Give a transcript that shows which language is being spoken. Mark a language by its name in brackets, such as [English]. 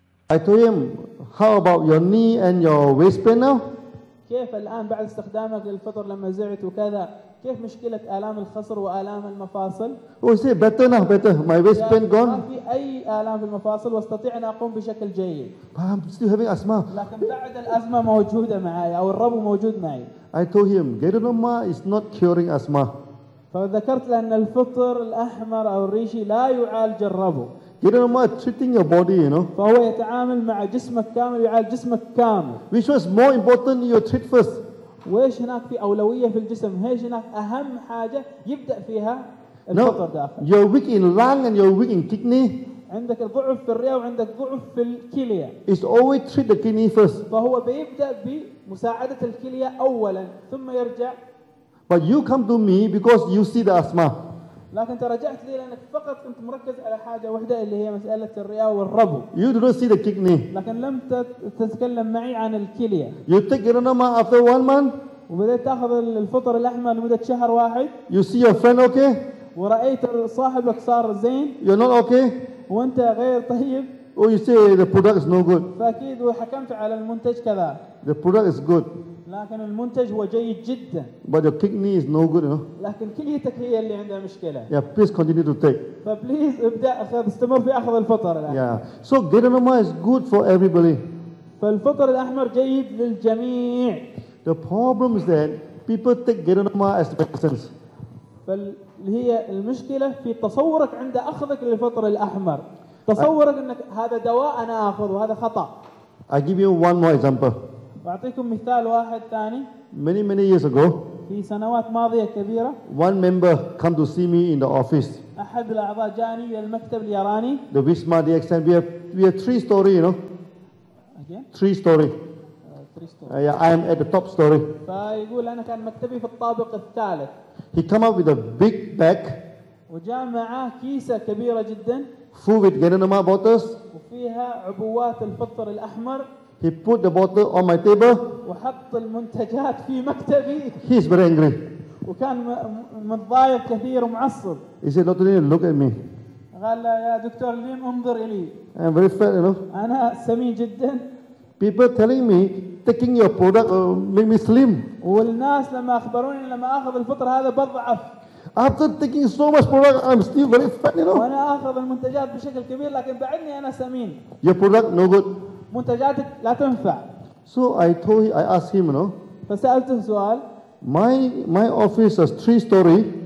[English] I told him, how about your knee and your waist pain now? [Arabic] كيف الآن بعد استخدامك للفطر لما زعت وكذا كيف مشكلة آلام الخصر وآلام المفاصل؟ [English] Oh, say better now, better. My waist pain gone. [Arabic] ما في أي آلام في المفاصل واستطيع أن أقوم بشكل جيد. [English] But I'm still having asthma. [Arabic] لكن بعد الأزمة موجودة معي أو الربو موجود معي. [English] I told him, Geronimo is not curing asthma. [Arabic] فذكرت له أن الفطر الأحمر أو الريشي لا يعالج الربو. [English] Geronimo is treating your body, you know. [Arabic] فهو يتعامل مع جسمك كامل يعالج جسمك كامل. [English] Which was more important, you treat first. [Arabic] وإيش هناك في أولوية في الجسم؟ هيش هناك أهم حاجة يبدأ فيها الفطر داخل. [English] You're weak in lung and you're weak in kidney. [Arabic] عندك ضعف في الرئة وعندك ضعف في الكلية. [English] It's always treat the kidney first. [Arabic] فهو بيبدأ بمساعدة الكلية أولاً ثم يرجع. [English] But you come to me because you see the asthma. [Arabic] لكن ترجعت لي لأنك فقط كنت مركز على حاجة واحدة اللي هي مسألة الرئة والربو. [English] You don't see the kidney. [Arabic] لكن لم تتكلم معي عن الكلية. [English] You take Geronimo after 1 month. [Arabic] وبدأت تأخذ الفطر الأحمر لمدة شهر واحد. [English] You see your friend okay. [Arabic] ورأيت صاحبك صار زين. [English] You're not okay. [Arabic] وأنت غير طيب. [English] Oh, you say the product is no good. [Arabic] فأكيد وحكمت على المنتج كذا. [English] The product is good. [Arabic] لكن المنتج هو جيد جدا. [English] But your kidney is no good, you know. [Arabic] لكن كليتك هي اللي عندها مشكلة. [English] Yeah, please continue to take. [Arabic] فبليز ابدأ أخذ استمر في أخذ الفطر الآن. [English] Yeah. So Geronimo is good for everybody. [Arabic] فالفطر الأحمر جيد للجميع. [English] The problem is that people take Geronimo as medicines. [Arabic] فالهي المشكلة في تصورك عند أخذك للفطر الأحمر. تصورك أنك هذا دواء أنا آخذه وهذا خطأ. [English] I give you one more example. [Arabic] أعطيكم مثال واحد ثاني. [English] Many many years ago. [Arabic] في سنوات ماضية كبيرة. [English] One member come to see me in the office. [Arabic] أحد الأعضاء جاني إلى المكتب ليراني. [English] The Wisma DX and we have three story, you know. Again. Three story. Yeah, I am at the top story. [Arabic] فيقول أنا كان مكتبي في الطابق الثالث. [English] He come up with a big bag. [Arabic] وجاء معه كيسة كبيرة جدا. [English] Full with Geronimo bottles. [Arabic] وفيها عبوات الفطر الأحمر. [English] He put the bottle on my table. [Arabic] وحط المنتجات في مكتبي. [English] He's very angry. [Arabic] وكان متضايق كثير ومعصب. [English] He said, Dr. Lin, look at me. [Arabic] قال يا دكتور لين انظر إلي. [English] I'm very fat, you know. [Arabic] أنا سمين جدا. [English] People telling me taking your product make me slim. [Arabic] والناس لما أخبروني لما أخذ الفطر هذا بضعف. [English] After taking so much product, I'm still very fat, you know. [Arabic] وأنا أخذ المنتجات بشكل كبير لكن بعدني أنا سمين. [English] Your product no good. [Arabic] منتجاتك لا تنفع. [English] So I told him, I asked him, you know. [Arabic] فسألته سؤال. [English] My office is three story.